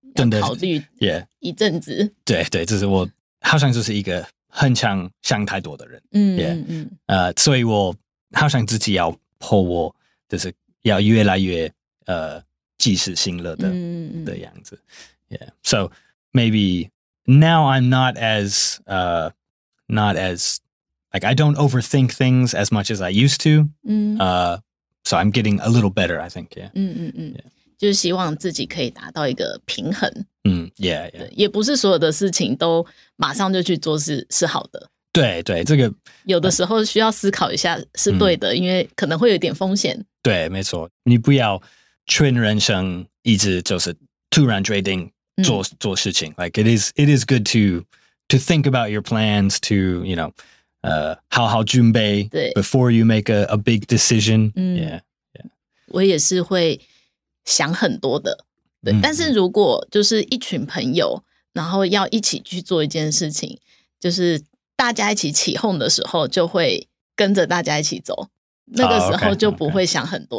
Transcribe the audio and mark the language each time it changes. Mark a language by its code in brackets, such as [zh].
[zh] 嗯，真的考虑一阵子。 Yeah, 对对，就是我好像就是一个很想想太多的人。嗯 [en] yeah, 嗯 [zh] 所以我好像自己要破我，就是要越来越及时行乐的的样子。 [en] Yeah, so maybe now I'm not as not as like I don't overthink things as much as I used to. So I'm getting a little better, I think. Yeah. 嗯嗯嗯。Yeah. [zh] 就是希望自己可以达到一个平衡。 [en] 嗯 yeah, yeah. [zh] 也不是所有的事情都马上就去做 是好的。对对，这个有的时候需要思考一下是对的，因为可能会有点风险。对，没错，你不要劝人生一直就是突然决定 做事情。 [en] Like, it is good to think about your plans, to, you know, [zh] 好好准备 [en] before you make a big decision. 嗯 yeah, yeah. [zh] 我也是会想很多的，对，但是如果就是一群朋友，然后要一起去做一件事情，就是大家一起起哄的时候，就会跟着大家一起走，那个时候就不会想很多。